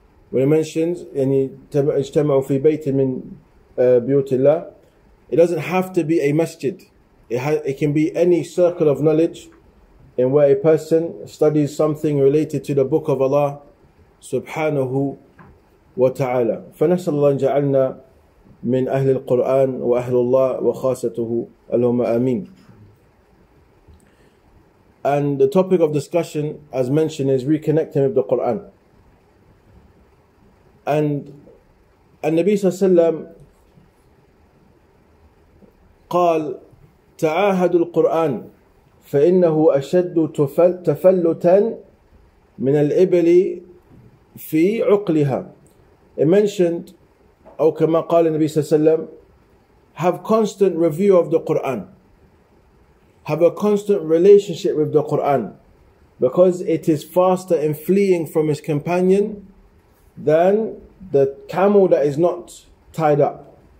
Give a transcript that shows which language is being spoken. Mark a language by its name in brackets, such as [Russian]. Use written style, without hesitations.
[English] When it mentions, [Arabic] اجتمعوا في بيت من بيوت الله, [English] it doesn't have to be a masjid. It can be any circle of knowledge in where a person studies something related to the book of Allah subhanahu wa ta'ala. [Arabic] فنسأل الله أن جعلنا من أهل القرآن وأهل الله وخاصته اللهم آمين. [English] And the topic of discussion, as mentioned, is reconnecting with the Qur'an. [Arabic] And Nabi sallallahu alayhi wa sallam قال تعاهد القرآن فإنه أشد تفلتا من الإبل في عقلها. [English] It mentioned, [Arabic] أو كما قال النبي صلى الله عليه وسلم, [English] have constant review of the Qur'an. Have a constant relationship with the Qur'an, because it is faster in fleeing from his companion than the camel that is not tied up.